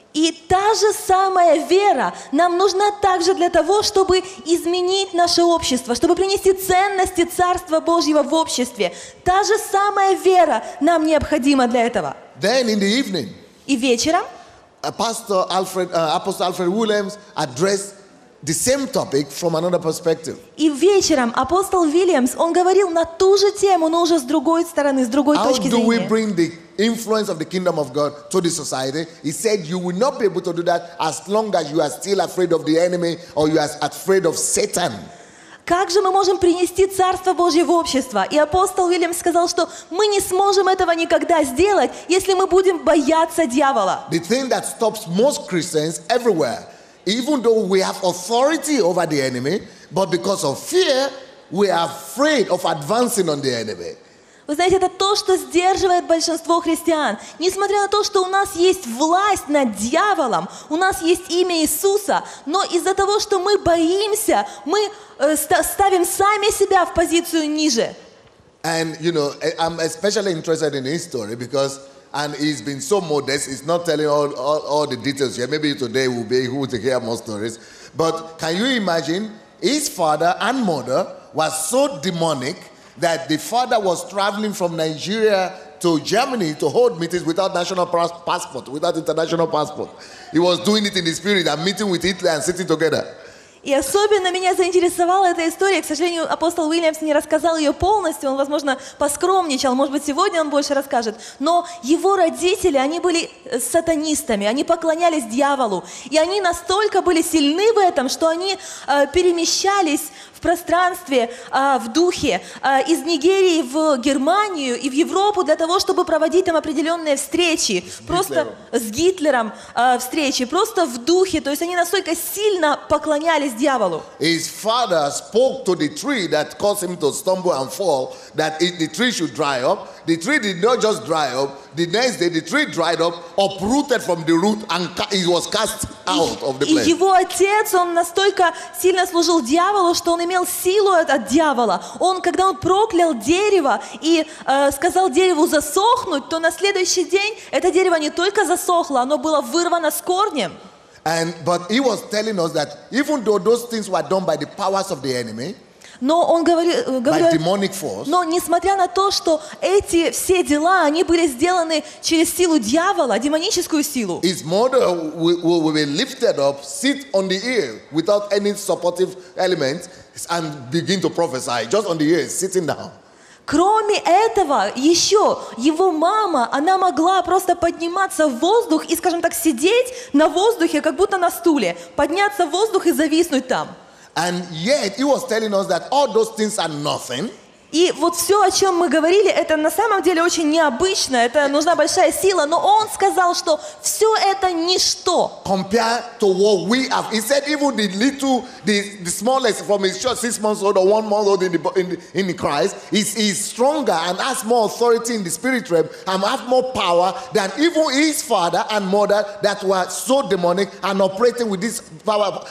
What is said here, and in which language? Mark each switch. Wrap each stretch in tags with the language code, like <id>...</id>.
<ru>И та же самая вера нам нужна также для того, чтобы изменить наше общество, чтобы принести ценности Царства Божьего в обществе. Та же самая вера нам необходима для этого.</ru> <en>Then in the evening,</en> <ru>и вечером,</ru> <en>Apostle Alfred Williams addressed the same topic from another perspective.</en> <ru>И вечером апостол Уильямс, он говорил на ту же тему, но уже с другой стороны, с другой точки зрения.</ru> <en>How do we bring the influence of the kingdom of God to the society? He said, you will not be able to do that as long as you are still afraid of the enemy or you are afraid of Satan.</en> <ru>Как же мы можем принести Царство Божье в общество? И апостол Уильямс сказал, что мы не сможем этого никогда сделать, если мы будем бояться дьявола.</ru> <en>The thing that stops most Christians everywhere, even though we have authority over the enemy, but because of fear, we are afraid of advancing on the enemy.</en> <ru>Вы знаете, это то, что сдерживает большинство христиан. Несмотря на то, что у нас есть власть над дьяволом, у нас есть имя Иисуса, но из-за того, что мы боимся, мы ставим сами себя в позицию ниже.</ru> <en>And, you know, I'm especially interested in his story because and he's been so modest, he's not telling all the details here. Maybe today we'll be able to hear more stories. But can you imagine, his father and mother were so demonic that the father was traveling from Nigeria to Germany to hold meetings without national passport, without international passport. He was doing it in the spirit and meeting with Hitler and sitting together.</en> <ru>И особенно меня заинтересовала эта история. К сожалению, апостол Уильямс не рассказал ее полностью. Он, возможно, поскромничал. Может быть, сегодня он больше расскажет. Но его родители, они были сатанистами. Они поклонялись дьяволу. И они настолько были сильны в этом, что они перемещались в пространстве, в духе, из Нигерии в Германию и в Европу для того, чтобы проводить там определенные встречи. С Гитлером встречи, просто в духе. То есть они настолько сильно поклонялись дьяволу.</ru> <en>His father spoke to the tree that caused him to stumble and fall, that the tree should dry up. The tree did not just dry up. The next day, the tree dried up, uprooted from the root, and it was cast out of the place.</en> <ru>И его отец, он настолько сильно служил дьяволу, что он имел силу от дьявола. Он, когда он проклял дерево и сказал дереву засохнуть, то на следующий день это дерево не только засохло, оно было вырвано с корнем.</ru> <en>And but he was telling us that even though those things were done by the powers of the enemy.</en> <ru>Но он говорит, но несмотря на то, что эти все дела, они были сделаны через силу дьявола, демоническую силу.</ru> <en>His mother will be lifted up, sit on the ear without any supportive element, and begin to prophesy just on the ear, sitting down.</en> <ru>Кроме этого, еще его мама, она могла просто подниматься в воздух и, скажем так, сидеть на воздухе, как будто на стуле, подняться в воздух и зависнуть там.</ru> <en>And yet he was telling us that all those things are nothing.</en> <ru>И вот все, о чем мы говорили, это на самом деле очень необычно, это нужна большая сила, но он сказал, что все это ничто.</ru> <en>Compared to what we have, he said even the little, the smallest from his church, 6 months old or 1 month old in the Christ, is stronger and has more authority in the spirit realm and has more power than even his father and mother that were so demonic and operating with this power.</en>